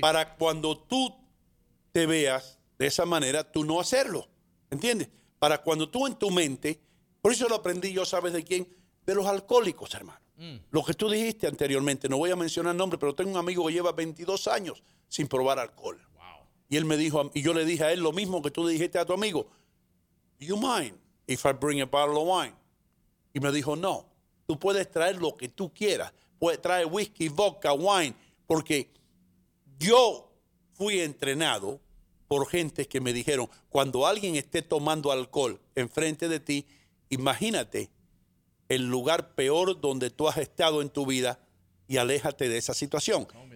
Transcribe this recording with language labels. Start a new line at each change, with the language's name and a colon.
Spanish: Para cuando tú te veas de esa manera, tú no hacerlo. ¿Entiendes? Para cuando tú en tu mente, por eso lo aprendí yo, ¿sabes de quién? De los alcohólicos, hermano. Lo que tú dijiste anteriormente, no voy a mencionar nombre, pero tengo un amigo que lleva 22 años sin probar alcohol. Wow. Y él me dijo, y yo le dije a él lo mismo que tú dijiste a tu amigo.
English: Do you mind if I bring a bottle of wine?
Spanish: Y me dijo, no, tú puedes traer lo que tú quieras. Puedes traer whisky, vodka, wine, porque yo fui entrenado por gente que me dijeron, cuando alguien esté tomando alcohol enfrente de ti, imagínate el lugar peor donde tú has estado en tu vida y aléjate de esa situación.